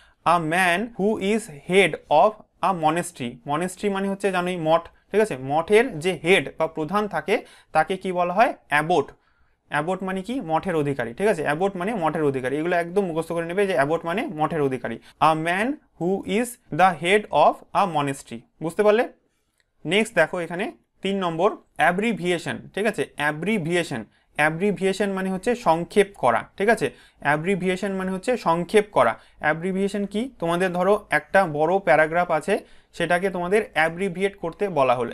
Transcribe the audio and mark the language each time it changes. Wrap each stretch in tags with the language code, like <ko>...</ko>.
<en>A man who is head of a monastery.</en> <bn>Monastery মানে হচ্ছে জানোই মঠ, ঠিক আছে? মঠের যে হেড বা প্রধান থাকে তাকে কি বলা হয়? অ্যাবট। অ্যাবট মানে কি? মঠের অধিকারী, ঠিক আছে? অ্যাবট মানে মঠের অধিকারী। এগুলো একদম মুখস্থ করে নেবে যে অ্যাবট মানে মঠের অধিকারী।</bn> <en>A man who is the head of a monastery.</en> <bn>বুঝতে পারলে? নেক্সট দেখো এখানে তিন নম্বর, অ্যাব্রিভিয়েশন, ঠিক আছে? অ্যাব্রিভিয়েশন, অ্যাব্রিভিয়েশন মানে হচ্ছে সংক্ষেপ করা, ঠিক আছে? অ্যাব্রিভিয়েশন মানে হচ্ছে সংক্ষেপ করা। অ্যাব্রিভিয়েশন কি? তোমাদের ধরো একটা বড় প্যারাগ্রাফ আছে, সেটাকে তোমাদের অ্যাব্রিভিয়েট করতে বলা হলো।</bn>